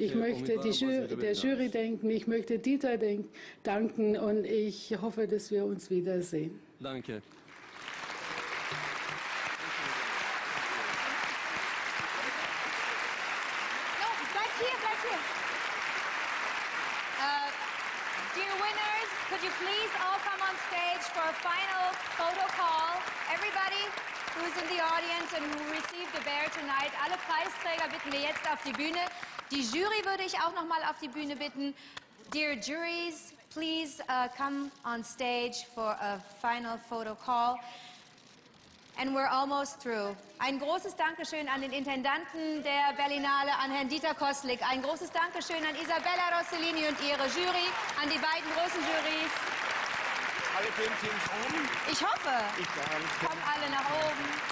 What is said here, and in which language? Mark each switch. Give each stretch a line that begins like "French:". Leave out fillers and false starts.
German: Ich möchte der Jury danken, ich möchte Dieter danken und ich hoffe, dass wir uns wiedersehen. Danke. So, bleibt hier, bleibt hier.
English: Dear winners, could you please all come on stage for a final photo call? Everybody who's in the audience and who received the bear tonight,
German: alle Preisträger bitten wir jetzt auf die Bühne. Die Jury würde ich auch noch mal auf die Bühne bitten.
English: Dear juries, please come on stage for a final photo call. And we're almost through.
German: Ein großes Dankeschön an den Intendanten der Berlinale, an Herrn Dieter Koslik. Ein großes Dankeschön an Isabella Rossellini und ihre Jury, an die beiden großen Jurys. Alle Filmteams oben. Ich hoffe. Kommen alle nach oben.